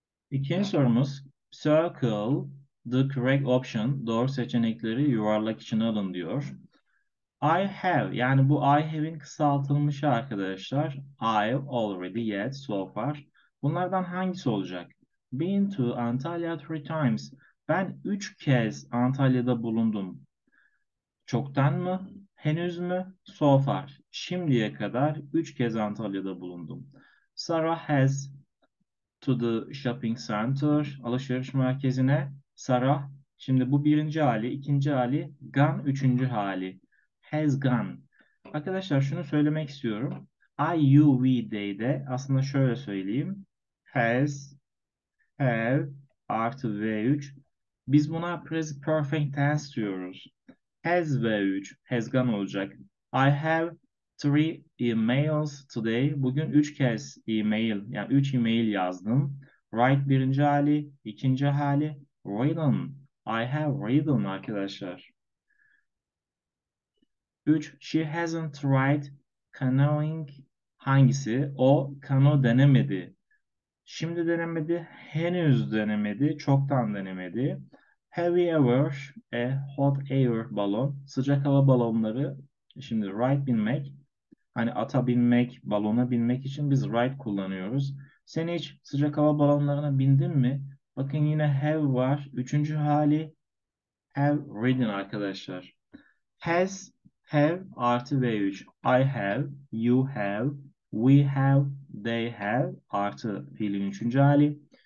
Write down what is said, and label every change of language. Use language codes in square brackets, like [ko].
[tr] İkinci sorumuz, [en] circle the correct option, [tr] doğru seçenekleri yuvarlak içine alın diyor. I have, yani bu I have'in kısaltılmışı arkadaşlar. [en] I've already, yet, so far. [tr] Bunlardan hangisi olacak? [en] Been to Antalya three times. [tr] Ben 3 kez Antalya'da bulundum. Çoktan mı? Henüz mü? [en] So far. [tr] Şimdiye kadar 3 kez Antalya'da bulundum. [en] Sarah has to the shopping center, [tr] alışveriş merkezine. Sarah, şimdi bu birinci hali, ikinci hali, gone üçüncü hali. [en] Has gone. [tr] Arkadaşlar şunu söylemek istiyorum. I, you, we, they'de aslında şöyle söyleyeyim. [en] Has, have, artı V3. [tr] Biz buna present perfect tense diyoruz. [en] Has V3, has gone olacak. I have three emails today. [tr] Bugün 3 kez email, yani 3 email yazdım. Write birinci hali, ikinci hali. Written. [en] I have written arkadaşlar. 3. She hasn't tried canoeing. [tr] Hangisi? O kano denemedi. Şimdi denemedi, henüz denemedi, çoktan denemedi. [en] Have you ever a hot air balloon? [tr] Sıcak hava balonları. Şimdi write bilmek, hani ata binmek, balona binmek için biz ride kullanıyoruz. Sen hiç sıcak hava balonlarına bindin mi? Bakın yine have var. Üçüncü hali [en] have ridden [tr] arkadaşlar. [en] Has, have artı V3. I have, you have, we have, they have [tr] artı fiilin üçüncü hali.